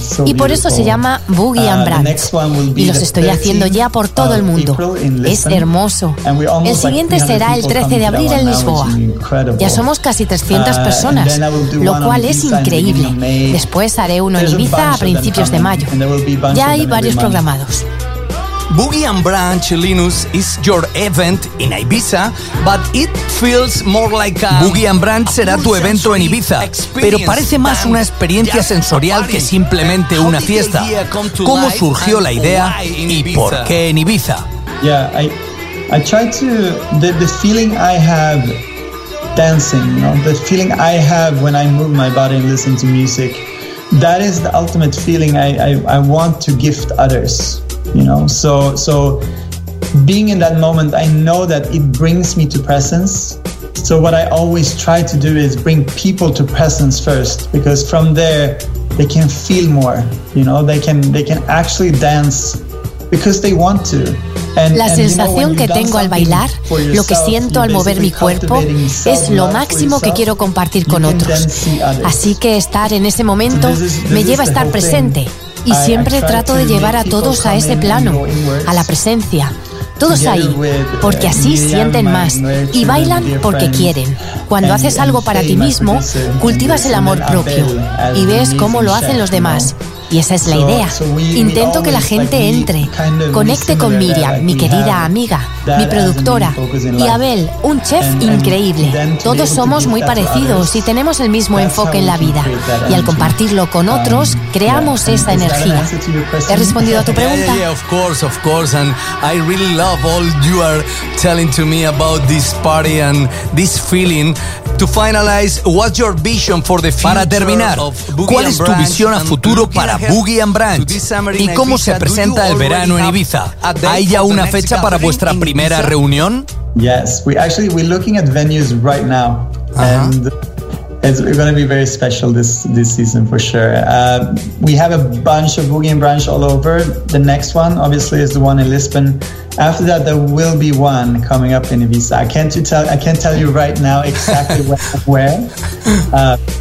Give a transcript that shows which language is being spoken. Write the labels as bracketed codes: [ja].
[es] Y por eso se llama Boogie and Brunch. Y los estoy haciendo ya por todo el mundo. Es hermoso. El siguiente será el 13 de abril en Lisboa. Ya somos casi 300 personas, lo cual es increíble. Después haré uno en Ibiza a principios de mayo. Ya hay varios programados. [en] Boogie and Brunch, Linus, is your event in Ibiza, but it feels more like a [es] Boogie and Brunch será tu evento en Ibiza, pero parece más una experiencia sensorial que simplemente una fiesta. ¿Cómo surgió la idea y por qué en Ibiza? [en] Yeah, I tried to the feeling I have dancing, you know, the feeling I have when I move my body and listen to music. That is the ultimate feeling I want to gift others. You know, so being in that moment, I know that it brings me to presence. So what I always try to do is bring people to presence first, because from there they can feel more. You know, they can actually dance because they want to. [es] La sensación que tengo al bailar, lo que siento al mover mi cuerpo, es lo máximo que quiero compartir con otros. Así que estar en ese momento me lleva a estar presente. Y siempre trato de llevar a todos a ese plano, a la presencia. Todos ahí, porque así sienten más y bailan porque quieren. Cuando haces algo para ti mismo, cultivas el amor propio y ves cómo lo hacen los demás. Y esa es la idea. Intento que la gente entre, conecte con Miriam, mi querida amiga, mi productora, y Abel, un chef increíble. Todos somos muy parecidos y tenemos el mismo enfoque en la vida. Y al compartirlo con otros, creamos esa energía. ¿He respondido a tu pregunta? [en] Yeah, of course, and I really love all you are telling to me about this party and this feeling. To finalize, what's your vision for the future? [es] Para terminar, ¿cuál es tu visión a futuro para Boogie & Branch? ¿Y cómo se presenta el verano en Ibiza? ¿Hay ya una fecha para vuestra primera reunión? [en] Yes, we're looking at venues right now. And it's going to be very special this season for sure. We have a bunch of Boogie & Branch all over. The next one, obviously, is the one in Lisbon. After that, there will be one coming up in Ibiza. I can't tell you right now exactly where.